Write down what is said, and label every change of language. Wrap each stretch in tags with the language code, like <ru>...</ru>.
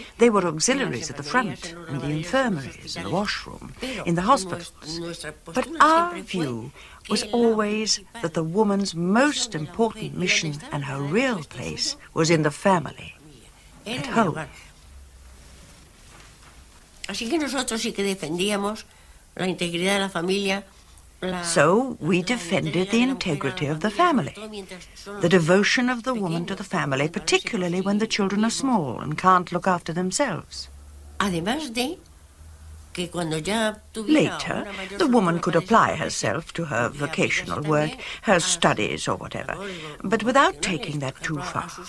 <en>They were auxiliaries at the front, in the infirmaries, in the washroom, in the hospitals. But our view was always that the woman's most important mission and her real place was in the family, at home.</en> <es>Así que nosotros sí que defendíamos la integridad de la familia,</es> <en>So we defended the integrity of the family, the devotion of the woman to the family, particularly when the children are small and can't look after themselves. Later, the woman could apply herself to her vocational work, her studies or whatever, but without taking that too far.</en>